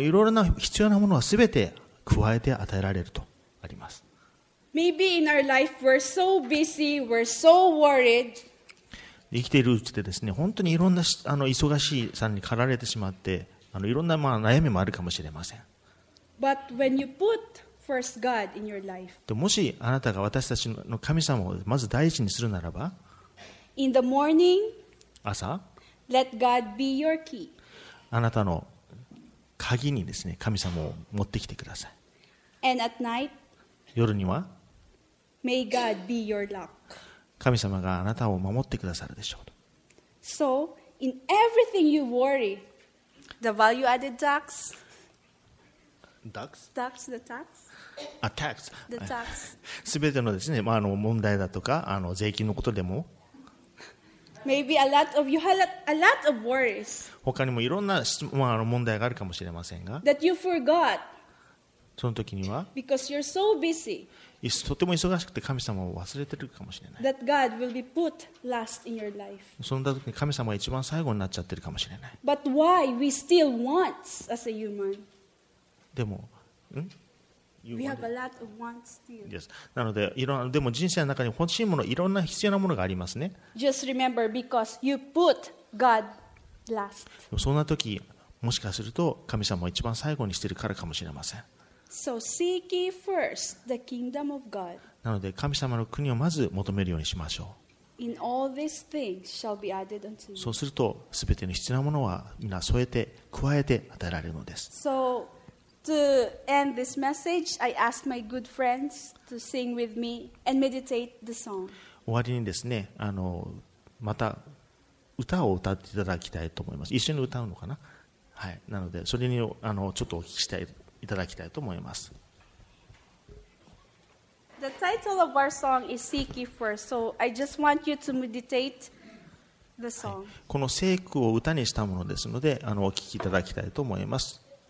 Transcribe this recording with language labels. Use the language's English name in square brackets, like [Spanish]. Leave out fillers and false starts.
[Japanese] いろいろな必要なものはすべて加えて与えられるとあります。生きているうちでですね、本当にいろんな忙しいさんに駆られてしまって、いろんな悩みもあるかもしれません。 [English] But when you putFirst God in your life. [Japanese] もしあなたが私たちの神様をまず第一にするならば、 [English] In the morning, [Japanese] 朝、 [English] Let God be your key. [Japanese] あなたの鍵にですね、神様を持ってきてください。 [English] And at night, [Japanese] 夜には、 [English] May God be your lock. [Japanese] 神様があなたを守ってくださるでしょうと。 [English] So, in everything you worry, the value added tax. Tax. [Japanese] すべてのですね、問題だとか税金のことでも、 [English] Maybe a lot of you have a lot of worries. [Japanese] 他にもいろんな問題があるかもしれませんが、 [English] That you forgot. [Japanese] その時には、 [English] Because you're so busy. [Japanese] とても忙しくて神様を忘れてるかもしれない。 [English] That God will be put last in your life. [Japanese] その時に神様が一番最後になっちゃってるかもしれない。 [English] But why we still want as a human? [Japanese] でも、 [English] We have a lot of wants still. Yes. [Japanese] なので、でも人生の中に欲しいもの、いろんな必要なものがありますね。 [English] Just remember, because you put God last. [Japanese] そんな時、もしかすると神様を一番最後にしているからかもしれません。 [English] So seek ye first the kingdom of God. [Japanese] なので、神様の国をまず求めるようにしましょう。 [English] In all these things shall be added unto you. [Japanese] そうすると、すべての必要なものは皆添えて、加えて与えられるのです。 [English] So,To end this message, I asked my good friends to sing with me and meditate the song. [Japanese] 終わりにですね、また歌を歌っていただきたいと思います。一緒に歌うのかな？はい。なので、それにちょっとお聞きしていただきたいと思います。 [English] The title of our song is Seek Ye First, so I just want you to meditate the song.、は [Japanese] い、この聖句を歌にしたものですので、お聞きいただきたいと思います。